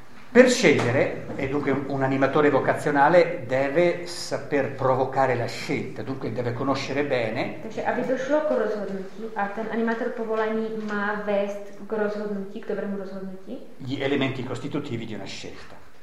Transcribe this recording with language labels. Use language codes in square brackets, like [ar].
[it] Per scegliere, e dunque un animatore vocazionale deve saper provocare la scelta, dunque deve conoscere bene. [cs] Takže aby došlo k rozhodnutí a ten animátor povolání má vést k rozhodnutí, k dobrému rozhodnutí. [it] Gli elementi costitutivi di una scelta.